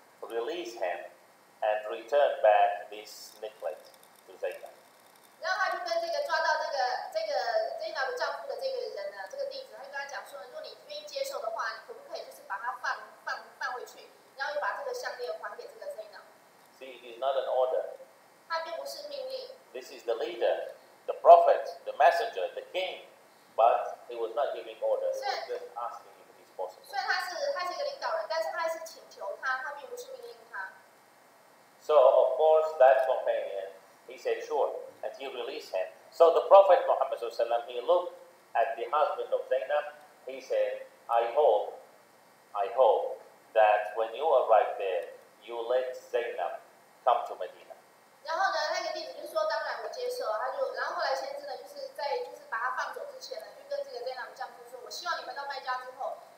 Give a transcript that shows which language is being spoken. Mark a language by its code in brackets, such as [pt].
[en] Release him and return back this necklace to Zainab. [zh] 然后他就跟这个抓到这个 Zainab 的丈夫的这个人呢，这个弟子，他就跟他讲说，如果你愿意接受的话，你可不可以就是把他放回去，然后又把这个项链还给这个 Zainab? [en] See, it is not an order. [zh] 他并不是命令。 [en] This is the leader, the prophet, the messenger, the king, but he was not giving orders. He was just asking. [zh] 所以他是一个领导人，但是他还是请求他，他并不是命令他。 [en] So of course that companion, he said sure, and he released him. So the Prophet Muhammad SAW, he looked at the husband of Zainab, he said, I hope that when you arrive there, you let Zainab come to Medina. [zh] 然后呢，那个弟子就说，当然我接受。后来先知呢，就是把他放走之前呢，就跟这个 Zainab 丈夫说，我希望你回到麦加之后。